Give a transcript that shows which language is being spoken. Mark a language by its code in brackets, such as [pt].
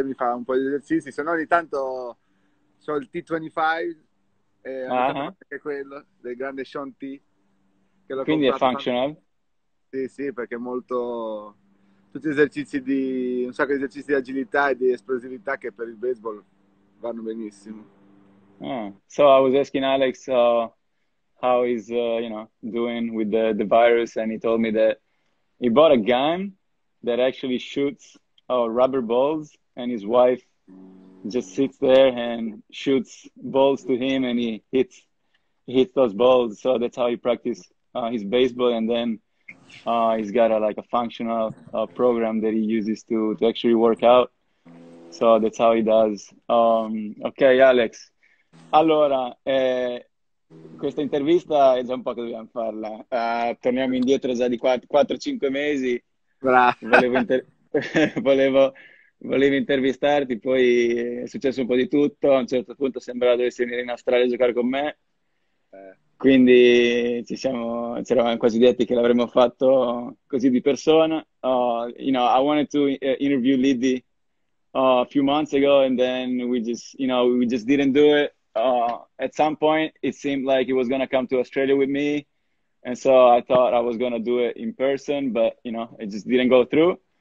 [it] Lei mi fa un po' di esercizi, se no ogni tanto ho il T25, e ogni tanto faccio anche quello del grande Sean T, che l'ho Quindi è comprato quando. [en] functional. [it] Sì, perché è molto. Tutti esercizi di. Un sacco di esercizi di agilità e di esplosività che per il baseball vanno benissimo. [en] So I was asking Alex how he's doing with the virus, and he told me that he bought a gun that actually shoots rubber balls, and his wife just sits there and shoots balls to him, and he hits those balls. So that's how he practices his baseball, and then he's got a functional program that he uses to actually work out. So that's how he does. Okay, Alex. [it] Allora, questa intervista è già un po' che dobbiamo farla. Torniamo indietro già di 4-5 mesi. Bra. Volevo intervistarti, poi è successo un po' di tutto. A un certo punto sembrava dovessi venire in Australia a giocare con me. Quindi ci eravamo quasi detti che l'avremmo fatto così di persona. [en] I wanted to interview Liddy a few months ago, and then we just didn't do it. At some point, it seemed like he was going to come to Australia with me. And so I thought I was going to do it in person, but it just didn't go through.